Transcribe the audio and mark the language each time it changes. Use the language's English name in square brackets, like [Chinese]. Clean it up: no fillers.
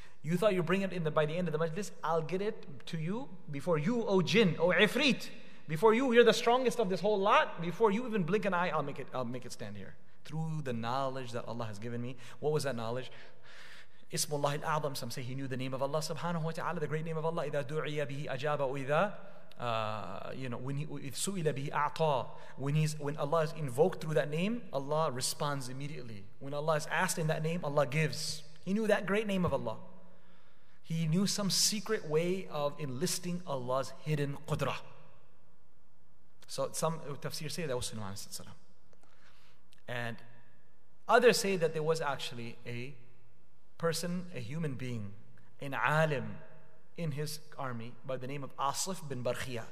[English] You thought you'd bring it in by the end of the majlis, I'll get it to you before you, O jinn, O ifrit, before you, you're the strongest of this whole lot, before you even blink an eye, I'll make it stand here. Through the knowledge that Allah has given me. What was that knowledge? Ismullah al-A'zam, some say he knew the name of Allah subhanahu wa ta'ala, the great name of Allah. [Arabic] إِذَا دُعِيَ بِهِ أَجَابَ وَإِذَا إِذَ سُئِلَ بِهِ أَعْطَى. [English] When Allah is invoked through that name, Allah responds immediately. When Allah is asked in that name, Allah gives. He knew that great name of Allah. He knew some secret way of enlisting Allah's hidden qudra. So some tafsir say that was Sulaiman alayhi salam. And others say that there was actually a human being, an alim in his army by the name of Asif bin Barkhiya.